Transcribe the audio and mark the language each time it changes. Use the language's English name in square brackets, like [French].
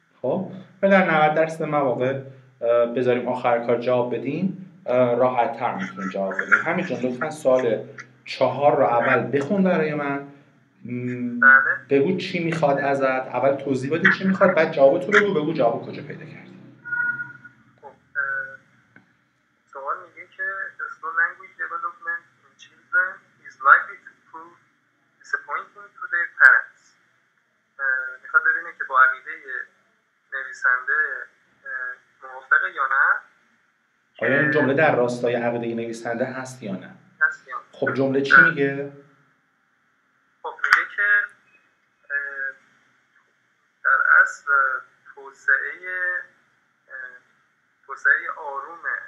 [Persian] خب در 90% مواقع بذاریم آخر کار جواب بدین راحت تر میتونیم جواب بدیم. همین جان لطفا سوال 4 رو اول بخون برای من. بله. بگو چی میخواد ازت، اول توضیح بده چی میخواد، بعد جوابتو بگو، بگو جواب کجا پیدا کردی. خب سوال میگه که [English] the slow language development in children is likely to prove disappointing to their parents. [Persian] میخواد ببینه که با عقیده نویسنده موافقه یا نه. آیا این جمله در راستای عقیده نویسنده هست یا نه؟ هست یا نه. خب جمله چی میگه؟ خب میگه که در اصل توسعه آروم